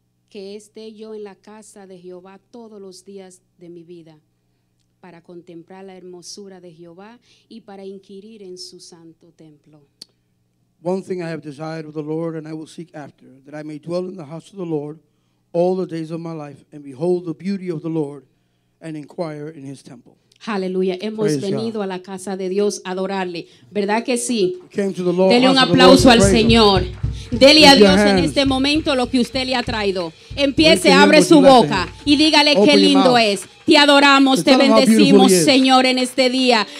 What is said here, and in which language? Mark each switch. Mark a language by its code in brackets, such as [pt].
[es] que esté yo en la casa de Jehová todos los días de mi vida, para contemplar la hermosura de Jehová y para inquirir en su santo templo. [en] One thing I have desired of the Lord, and I will seek after, that I may dwell in the house of the Lord all the days of my life, and behold the beauty of the Lord, and inquire in his temple. [es] Hallelujah. Hemos venido a la casa de Dios a adorarle. ¿Verdad que sí? Dele un aplauso al Señor. Dele a Dios en este momento lo que usted le ha traído. Empiece, abre su boca y dígale qué lindo es. Te adoramos, te bendecimos, Señor, en este día.